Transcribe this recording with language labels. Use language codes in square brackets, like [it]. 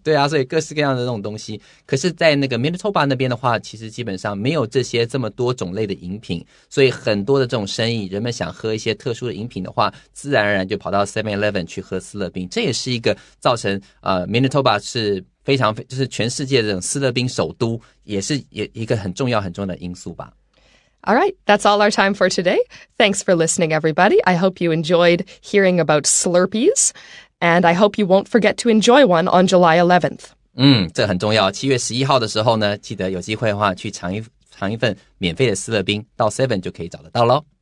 [zh] 对啊，所以各式各样的那种东西。可是在那个 Manitoba 那边的话，其实基本上没有这些这么多种类的饮品。所以很多的这种生意，人们想喝一些特殊的饮品的话，自然而然就跑到 7-Eleven 去喝思乐冰。这也是一个造成Manitoba 是非常就是全世界的这种思乐冰首都，也是一个很重要很重要的因素吧。 [en] All right, that's all our time for today. Thanks for listening, everybody. I hope you enjoyed hearing about Slurpees, and I hope you won't forget to enjoy one on July 11th. [zh] 嗯，这很重要。 7月11号的时候呢，记得有机会的话去尝一份免费的思乐冰，到7就可以找得到咯。